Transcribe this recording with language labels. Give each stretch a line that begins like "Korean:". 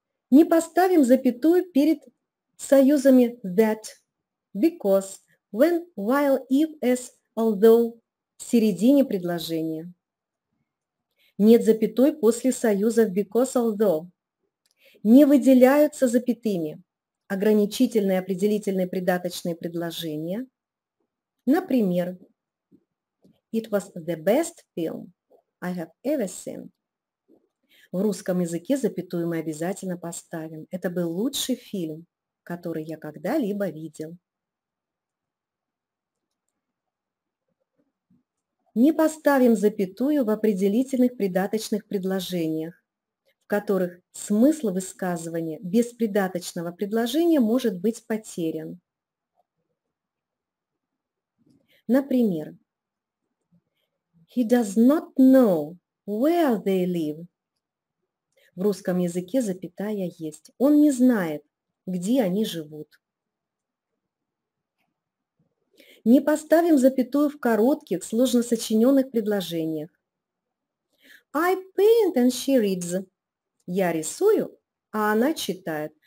Russian: Не поставим запятую перед союзами that, because, when, while, if, as, although в середине предложения. Нет запятой после союзов because, although. Не выделяются запятыми ограничительные определительные придаточные предложения. Например,
English: it was the best film I have ever seen.
Russian: В русском языке запятую мы обязательно поставим. Это был лучший фильм, который я когда-либо видел. Не поставим запятую в определительных придаточных предложениях, в которых смысл высказывания без придаточного предложения может быть потерян. Например,
English: he does not know where they live.
Russian: В русском языке запятая есть. Он не знает, где они живут. Не поставим запятую в коротких, сложно сочиненных предложениях.
English: I paint and she reads.
Russian: Я рисую, а она читает.